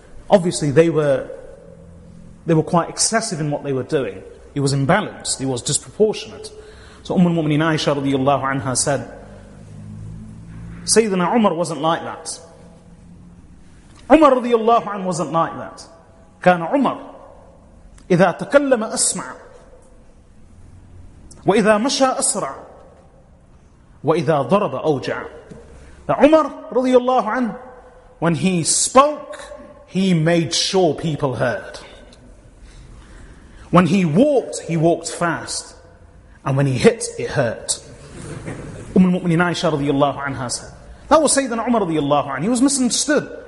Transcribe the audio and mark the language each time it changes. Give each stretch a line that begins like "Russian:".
English: Obviously they were quite excessive in what they were doing. It was imbalanced, it was disproportionate. So Umm al-Mu'mineen Aisha radiyallahu anha said, Sayyidina Umar wasn't like that. Umar radiyallahu anhu wasn't like that.
Arabic: كان عمر إذا تكلم أسمع وإذا مشى أسرع وإذا ضرب أوجع.
English: Umar radiyallahu anhu, when he spoke, he made sure people heard. When he walked fast. And when he hit, it hurt. Umm al-Mu'mineen Aisha radiyallahu anha said. That was Sayyidina Umar radiyallahu anhu. He was misunderstood.